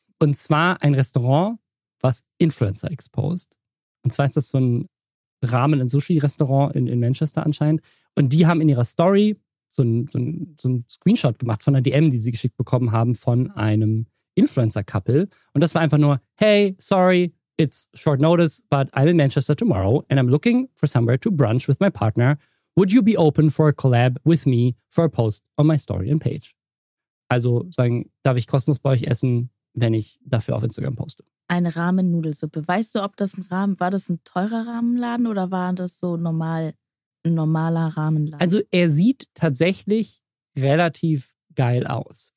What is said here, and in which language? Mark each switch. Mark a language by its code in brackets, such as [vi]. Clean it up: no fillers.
[de] Und zwar ein Restaurant, was Influencer exposed. Und zwar ist das so ein Ramen- und Sushi-Restaurant in Manchester anscheinend. Und die haben in ihrer Story so ein Screenshot gemacht von einer DM, die sie geschickt bekommen haben von einem Influencer-Couple. Und das war einfach nur, [en] hey, sorry, it's short notice, but I'm in Manchester tomorrow and I'm looking for somewhere to brunch with my partner. Would you be open for a collab with me for a post on my story and page? [de] Also sagen, darf ich kostenlos bei euch essen, wenn ich dafür auf Instagram poste? Eine Ramen-Nudelsuppe. Weißt du, ob das ein Ramen, war das ein teurer Ramenladen oder war das so normal, ein normaler Ramenladen? Also er sieht tatsächlich relativ geil aus.